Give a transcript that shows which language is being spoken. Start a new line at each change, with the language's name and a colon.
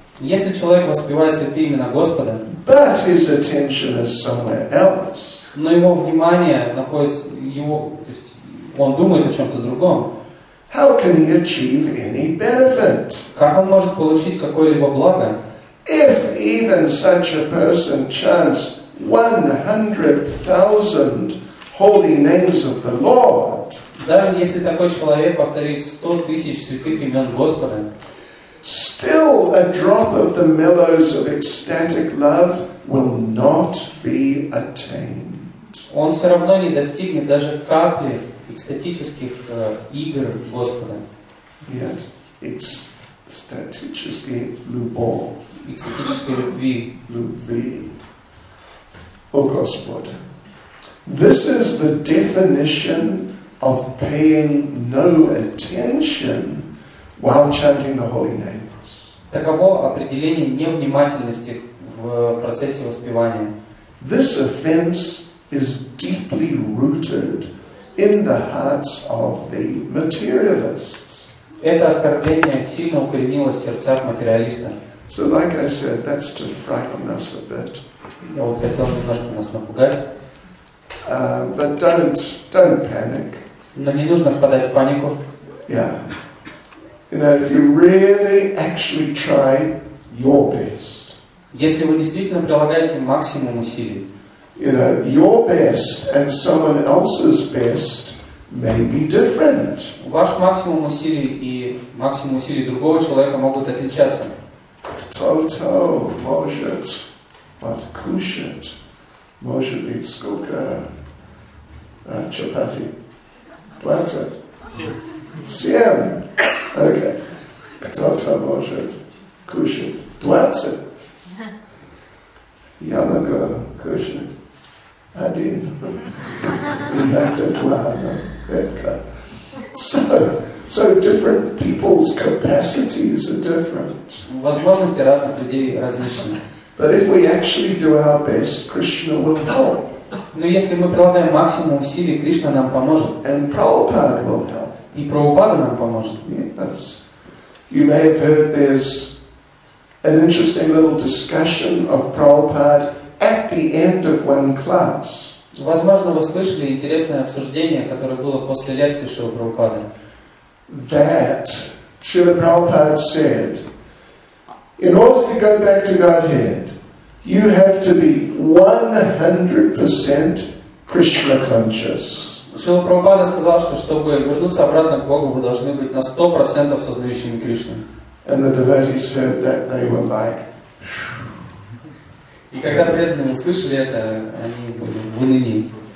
Russian: Если человек воспевает святые имена Господа.
English: But his attention is somewhere else.
Russian: Но его внимание находится его, то есть он думает о чем-то другом.
English: How can he achieve any benefit?
Russian: Как он может получить какое-либо благо?
English: If even such a person chants 100,000 holy names of the Lord,
Russian: даже если такой человек повторит 100,000 святых имен Господа,
English: still a drop of the millows of ecstatic love will not be attained.
Russian: Он все равно не достигнет даже капли экстатических игр Господа.
English: Yet it's statistically
Russian: любовь. Экстатической любви. Любви. О Господь.
English: This is the definition of paying no attention while chanting the holy names.
Russian: Таково определение невнимательности в процессе воспевания.
English: This offense is deeply rooted in the hearts of the materialists.
Russian: Это оскорбление сильно укоренилось в сердцах материалиста.
English: So like I said, that's to frighten us a bit.
Russian: Я вот хотел немножко нас напугать.
English: But don't panic.
Russian: Но не нужно впадать в панику.
English: Yeah. You know, if you really actually try your best.
Russian: Если вы действительно прилагаете максимум усилий.
English: You know, your best and someone else's best may be different.
Russian: Ваш максимум усилий и максимум усилий другого человека могут отличаться. Кто-то может, откушать. Может быть, сколько чапати? 20? 7. Окей. Кто-то может кушать 20. Я могу кушать 1. Иногда 2, но редко.
English: So different people's capacities are different.
Russian: Возможности разных людей различны.
English: But if we actually do our best, Krishna will help.
Russian: Но если мы прилагаем максимум усилий, Кришна нам поможет.
English: And Prabhupada will help.
Russian: И Прабхупада нам поможет.
English: Yes. You may have heard there's an interesting little discussion of Prabhupada at the end of one class.
Russian: Возможно, вы слышали интересное обсуждение, которое было после лекции Шрилы Прабхупады.
English: That Шрила Прабхупада said, in order to go back to Godhead, you have to be 100% Krishna conscious.
Russian: Шрила Прабхупада сказал, что чтобы вернуться обратно к Богу, вы должны быть на 100% сознающими Кришну.
English: And the devotees heard that, they were like,
Russian: и когда преданные услышали это, они были в унынии.